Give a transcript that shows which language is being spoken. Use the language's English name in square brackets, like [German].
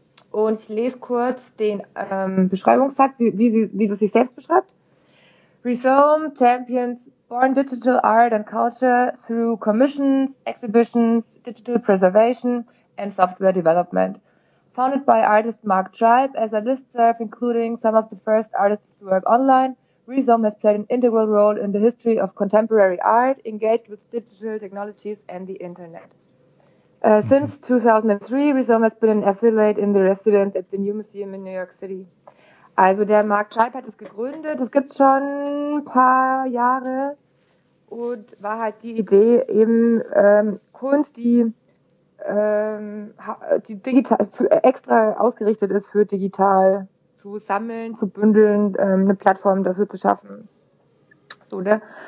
[German] Und ich lese kurz den Beschreibungssatz, wie das sich selbst beschreibt. [English] Rhizome champions born digital art and culture through commissions, exhibitions, digital preservation and software development. Founded by artist Mark Tribe as a listserv, including some of the first artists to work online, Rhizome has played an integral role in the history of contemporary art, engaged with digital technologies and the internet. Since 2003, Rhizome has been an affiliate in the residence at the New Museum in New York City. [German] Also der Mark Tribe hat es gegründet, das gibt es schon ein paar Jahre und war halt die Idee, eben Kunst, die digital extra ausgerichtet ist für digital, zu sammeln, zu bündeln, eine Plattform dafür zu schaffen. So, ne?